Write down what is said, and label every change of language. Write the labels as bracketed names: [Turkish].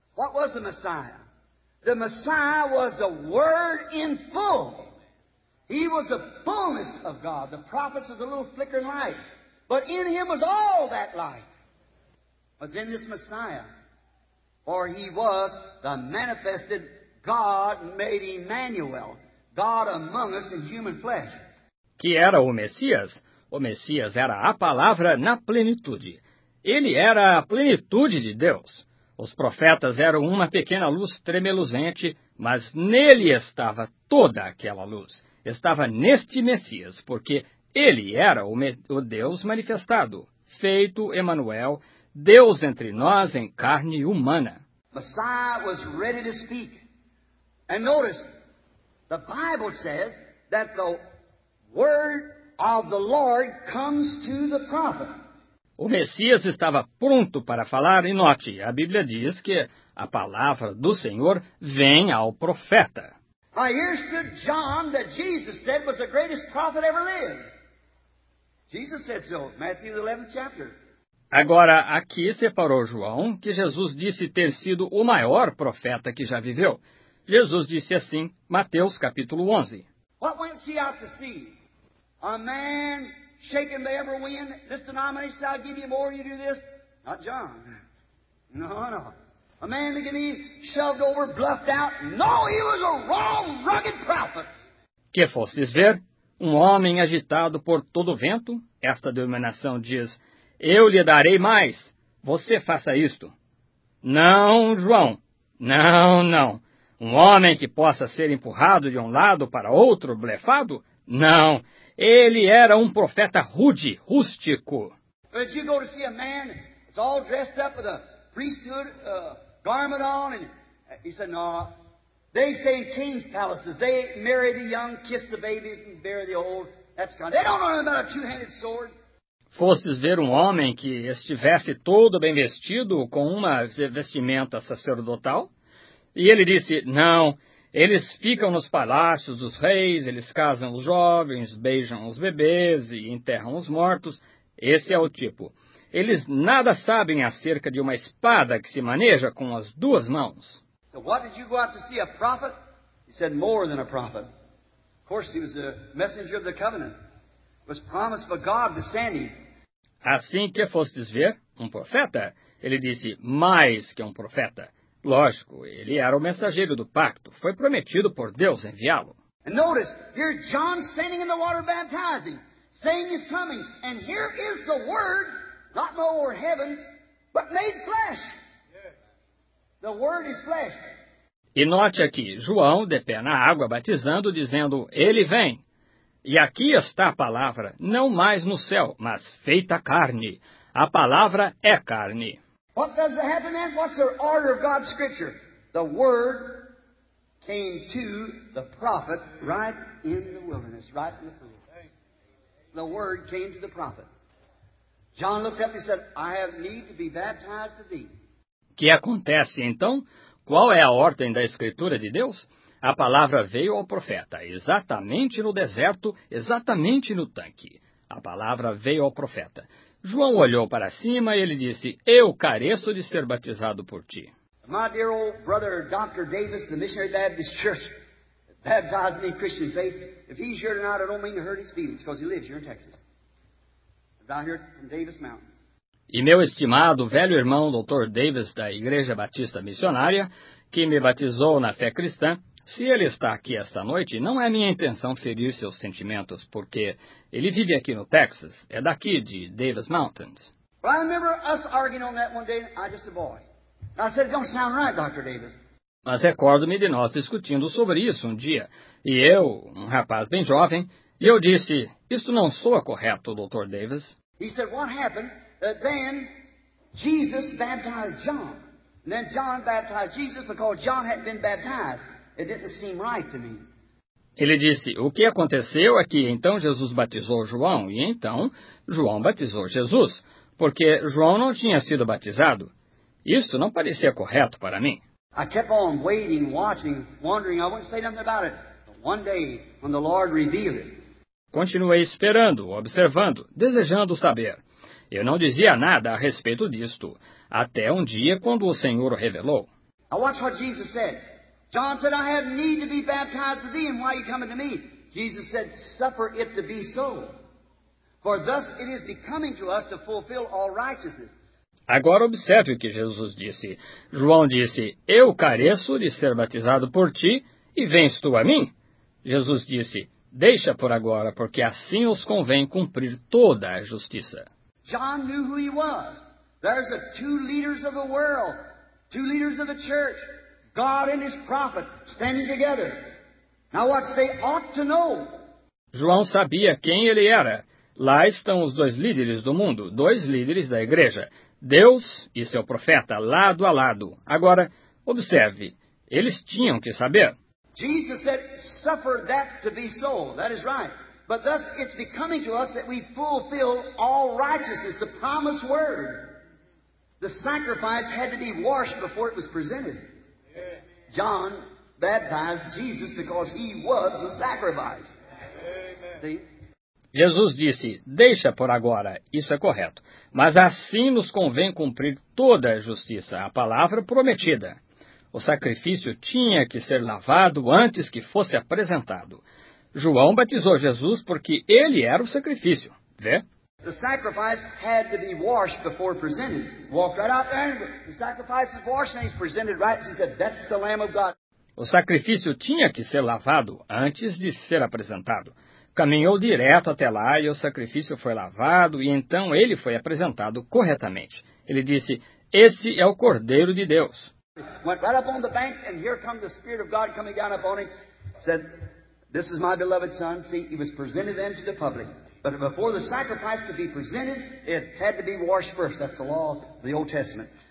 [English] What was the Messiah? The Messiah was the word in full. He was the fullness of God. The prophets was a little flickering light. But in him was all that light. Was in this Messiah. For he was the manifested God made Emmanuel, God among us in human flesh. [Portuguese] Que era o Messias? O Messias era a palavra na plenitude. Ele era a plenitude de Deus. Os profetas eram uma pequena luz tremeluzente, mas nele estava toda aquela luz. Estava neste Messias, porque ele era o Deus manifestado, feito Emmanuel, Deus entre nós em carne humana. [English] Messiah was ready to speak. And notice, the Bible says that the word of the Lord comes to the prophet. [Portuguese] O Messias estava pronto para falar, e note, a Bíblia diz que a palavra do Senhor vem ao profeta. [English] Now here stood John that Jesus said was the greatest prophet ever lived. Jesus said so, Matthew 11th chapter. [Portuguese] Agora, aqui separou João, que Jesus disse ter sido o maior profeta que já viveu. Jesus disse assim, Mateus capítulo 11. [English] What went she out to see? A man shaken by every wind. This denomination shall give you more, you do this. Not John. No, no. A man that can be shoved over, bluffed out. No, he was a wrong, rugged prophet. [Portuguese] Que fostes ver? Um homem agitado por todo o vento? Esta denominação diz, eu lhe darei mais. Você faça isto. Não, João. Não, não. Um homem que possa ser empurrado de um lado para outro, blefado? Não. Ele era um profeta rude, rústico. [English] Did you go to see a man that's all dressed up with a priesthood garment on? And he said, no. They stay in king's palaces. They marry the young, kiss the babies, and bury the old. They don't know about a two-handed sword. [Portuguese] Fosses ver homem que estivesse todo bem vestido com uma vestimenta sacerdotal? E ele disse, não, eles ficam nos palácios dos reis, eles casam os jovens, beijam os bebês e enterram os mortos. Esse é o tipo. Eles nada sabem acerca de uma espada que se maneja com as duas mãos. [English] So what did you go out to see, a prophet? He said, more than a prophet. Of course, he was a messenger of the covenant. Was promised by God to send him. [Portuguese] Assim que fostes ver um profeta, ele disse, mais que um profeta. Lógico, ele era o mensageiro do pacto. Foi prometido por Deus enviá-lo. [English] And notice, here John standing in the water baptizing, saying he's coming, and here is the word, not lower heaven, but made flesh. The word is flesh. [Portuguese] E note aqui, João, de pé na água, batizando, dizendo, ele vem. E aqui está a palavra, não mais no céu, mas feita carne. A palavra é carne. [English] What does it happen then? What's the order of God's scripture? The word came to the prophet right in the wilderness, right in the field. The word came to the prophet. John looked up and said, I have need to be baptized to thee. [Portuguese] O que acontece então? Qual é a ordem da escritura de Deus? A palavra veio ao profeta, exatamente no deserto, exatamente no tanque. A palavra veio ao profeta. João olhou para cima e ele disse, eu careço de ser batizado por ti. [English] My dear old brother, Dr. Davis, the Missionary Baptist Church, baptized me in Christian faith. If he's here tonight, I don't mean to hurt his feelings, because he lives here in Texas. Down here from Davis Mountains. [Portuguese] E meu estimado velho irmão, Dr. Davis, da Igreja Batista Missionária, que me batizou na fé cristã, se ele está aqui esta noite, não é minha intenção ferir seus sentimentos, porque ele vive aqui no Texas, é daqui de Davis Mountains. [English] Well, I remember us arguing on that one day, I just a boy. And I said, it don't sound right, Dr. Davis. [Portuguese] Mas recordo-me de nós discutindo sobre isso um dia, e eu, um rapaz bem jovem, e eu disse, isto não soa correto, Dr. Davis. [English] He said, what happened? Then Jesus baptized John. And then John baptized Jesus because John hadn't been baptized. It didn't seem right to me. [Portuguese] Ele disse, o que aconteceu é que então Jesus batizou João, e então João batizou Jesus, porque João não tinha sido batizado. Isso não parecia correto para mim. [English] I kept on waiting, watching, wondering. I wouldn't say nothing about it. But one day, when the Lord revealed it. [Portuguese] Continuei esperando, observando, desejando saber. Eu não dizia nada a respeito disto, até um dia quando o Senhor o revelou. [English] Now watch what Jesus said. John said, I have need to be baptized to thee, and why are you coming to me? Jesus said, suffer it to be so. For thus it is becoming to us to fulfill all righteousness. [Portuguese] Agora observe o que Jesus disse. João disse, eu careço de ser batizado por ti, e vens tu a mim? Jesus disse, deixa por agora, porque assim os convém cumprir toda a justiça. [English] John knew who he was. There's the two leaders of the world, two leaders of the church, God and his prophet standing together. Now watch, they ought to know. [Portuguese] João sabia quem ele era. Lá estão os dois líderes do mundo, dois líderes da igreja, Deus e seu profeta, lado a lado. Agora, observe, eles tinham que saber. [English] Jesus said, suffer that to be so. That is right. But thus it's becoming to us that we fulfill all righteousness, the promised word. The sacrifice had to be washed before it was presented. John baptized Jesus because he was the sacrifice. See? [Portuguese] Jesus disse, deixa por agora, isso é correto. Mas assim nos convém cumprir toda a justiça, a palavra prometida. O sacrifício tinha que ser lavado antes que fosse apresentado. João batizou Jesus porque ele era o sacrifício. Vê? [English] The sacrifice had to be washed before presented. Walked right out there. The sacrifice is washed and he's presented right since that's the Lamb of God. [Portuguese] O sacrifício tinha que ser lavado antes de ser apresentado. Caminhou direto até lá e o sacrifício foi lavado e então ele foi apresentado corretamente. Ele disse, esse é o Cordeiro de Deus. [English] Went right up on the bank and here comes the Spirit of God coming down upon him. Said, this is my beloved son. See, he was presented then to the public. But before the sacrifice could be presented, it had to be washed first. That's the law of the Old Testament.